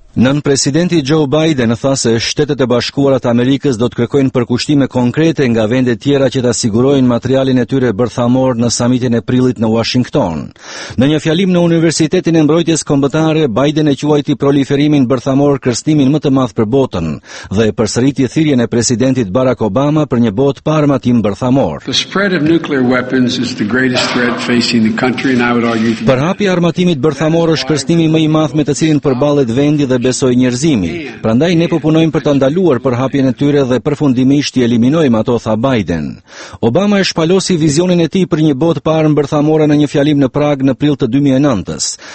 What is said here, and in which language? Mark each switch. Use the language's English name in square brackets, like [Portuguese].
[Albanian] Nën presidenti Joe Biden tha se Shtetet e Bashkuara të Amerikës do të kërkojnë përkushtime konkrete nga vende tjera që ta sigurojnë materialin e tyre bërthamor në samitin e prillit në Washington. Në një fjalim në Universitetin e Mbrojtjes Kombëtare, Biden e quajti proliferimin bërthamor kërstimin më të madh për botën dhe e përsëriti thirrjen e presidentit Barack Obama për një botë pa armatim bërthamor. [English] The spread of nuclear weapons is the greatest threat facing the country and I would argue that [Albanian] përhapja e armatimit bërthamor është kërstimi më i madh me të cilin përballet vendi dhe besoj njerëzimi. Prandaj ne po punojmë për ta ndaluar përhapjen e tyre dhe përfundimisht i eliminojmë ato, tha Biden. Obama e shpalosi vizionin e tij për një botë pa armë bërthamore në një fjalim në Prag në prill të 2009-s.